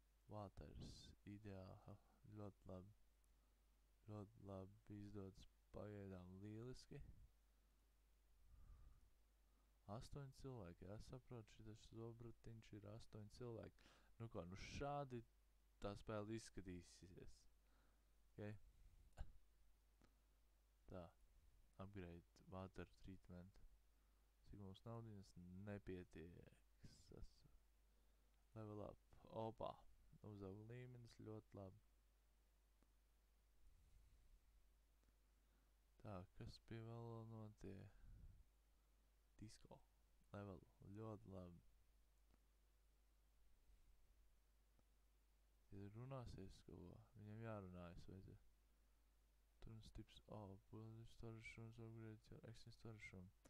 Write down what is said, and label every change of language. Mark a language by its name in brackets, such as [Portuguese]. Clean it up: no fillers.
[Latvian] Waters, ideāli, ļoti labi. Ļoti labi izdodas pagaidām, lieliski. 8 cilvēki, es saprotu, šis zobratiņš ir 8 cilvēki. Nu ko, nu šādi tā spēle izskatīsies. [English] Okay. [Latvian] Tā. [English] Upgrade water treatment. [Latvian] Cik mums naudiņas nepietiek. [English] Level up. [Latvian] Opa. Uzaug līmenis ļoti labi. Tā, kas pie vēl notiek? Disco. Level. Ļoti labi. Ja runāsies, ko? Viņam jārunājas, vajadzēja. [English] Turn steps up, build storage rooms, upgrade your existing storage room.